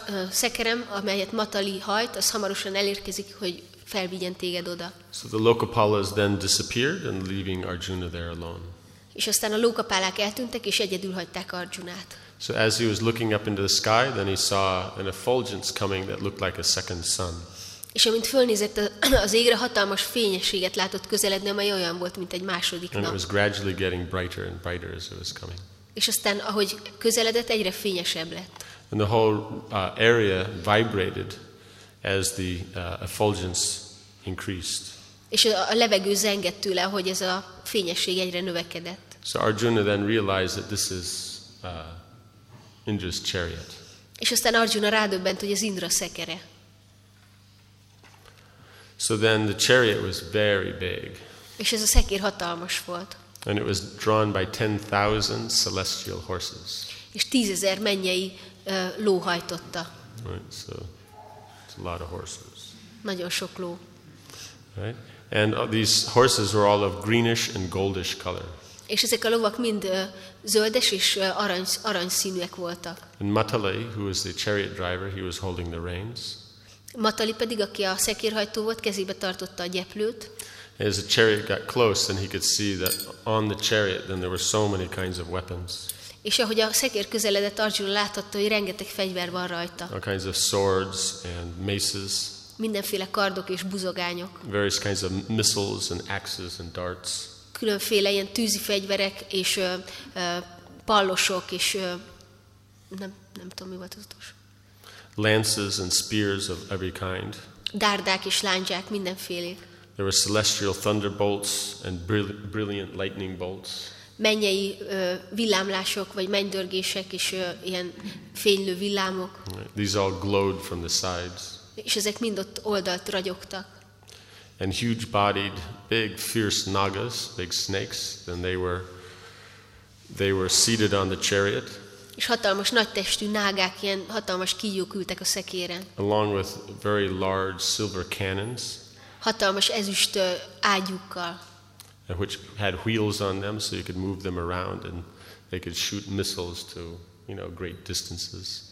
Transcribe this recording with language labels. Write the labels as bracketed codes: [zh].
[hu] Szekerem, amelyet Matali hajt, az hamarosan elérkezik, hogy felvigyen téged oda. [en] So the Lokapalas then disappeared and leaving Arjuna there alone. [hu] És aztán a lókapálák eltűntek és egyedül hagyták Arjunát. [en] So as he was looking up into the sky, then he saw an effulgence coming that looked like a second sun. [hu] És amint fölnézett az égre, hatalmas fényességet látott közeledni, amely olyan volt, mint egy második nap. [en] And it was gradually getting brighter and brighter as it was coming. [hu] És aztán ahogy közeledett, egyre fényesebb lett. [en] And the whole area vibrated as the effulgence increased. [hu] És a levegő zengett tőle, hogy ez a fényesség egyre növekedett. [en] So Arjuna then realized that this is Indra's chariot. [hu] És aztán Arjuna rádöbbent, hogy ez Indra szekere. [en] So then the chariot was very big. [hu] És ez a szekér hatalmas volt. [en] And it was drawn by 10,000 celestial horses. [hu] És 10,000 mennyei ló hajtotta. [en] Right, so it's a lot of horses. [hu] Nagyon sok ló. [en] Right? And these horses were all of greenish and goldish color. [hu] És ezek a lovak mind zöldes és aranyszínűek voltak. [en] And Matali, who was the chariot driver, he was holding the reins. [hu] Matali pedig, aki a szekérhajtó volt, kezébe tartotta a gyeplőt. [en] As the chariot got close, then he could see that on the chariot, then there were so many kinds of weapons. [hu] És ahogy a szekér közeledett, Arjuna láthatta, hogy rengeteg fegyver van rajta. [en] All kinds of swords and maces. [hu] Mindenféle kardok és buzogányok. [en] Various kinds of missiles and axes and darts. [hu] Különféle ilyen tűzi fegyverek és pallosok és nem tudom mi volt az utolsó. [en] Lances and spears of every kind. [hu] Dárdák és lándzsák mindenfélék. [en] There were celestial thunderbolts and brilliant lightning bolts. [hu] Mennyei villámlások vagy mennydörgések és ilyen fénylő villámok. [en] These all glowed from the sides. [hu] És ezek mind ott oldalt ragyogtak. [en] And huge-bodied, big, fierce nagas, big snakes, then they were seated on the chariot. [hu] És hatalmas nagy testű nágák, ilyen hatalmas kígyók ültek a szekéren. [en] Along with very large silver cannons. [hu] Hatalmas ezüst ágyúkkal. [en] Which had wheels on them, so you could move them around, and they could shoot missiles to, you know, great distances.